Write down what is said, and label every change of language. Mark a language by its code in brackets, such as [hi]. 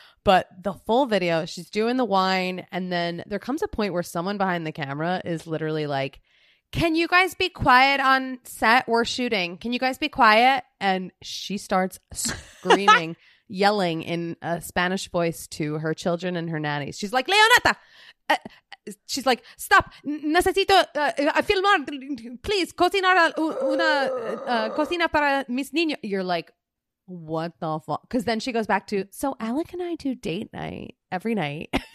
[en] But the full video, she's doing the wine. And then there comes a point where someone behind the camera is literally like, can you guys be quiet on set? We're shooting. Can you guys be quiet? And she starts screaming, yelling in a Spanish voice to her children and her nannies. She's like, Leonetta, [es] she's like, [en] stop, [es] necesito filmar, [en] please, [es] cocinar una cocina para mis niños. [en] You're like, what the fuck? Because then she goes back to, so Alec and I do date night every night.